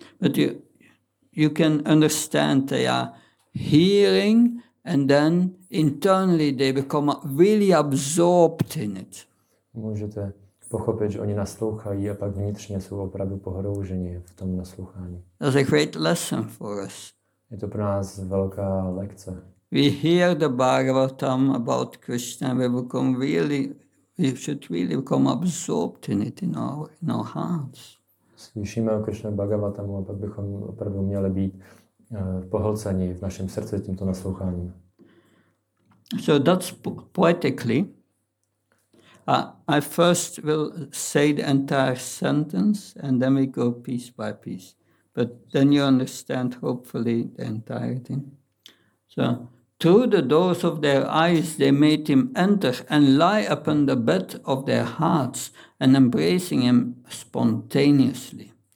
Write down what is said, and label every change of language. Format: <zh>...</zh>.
<en>But you can understand they are hearing and then internally they become really absorbed in it.</en> <cs>Můžete pochopit, že oni naslouchají a pak vnitřně jsou opravdu pohrouženi v tom naslouchání.</cs> <en>That's a great lesson for us.</en> <cs>Je to pro nás velká lekce.</cs> <en>We hear the Bhagavatam about Krishna, we become really, we should really become absorbed in it in our hearts.</en> <cs>Slyšíme o Krishna Bhagavatamu a pak bychom opravdu měli být pohlceni v našem srdci tímto nasloucháním.</cs> <en>So that's poetically. I first will say the entire sentence and then we go piece by piece. But then you understand hopefully the entire thing. So through the doors of their eyes they made him enter and lie upon the bed of their hearts and embracing him spontaneously.</en>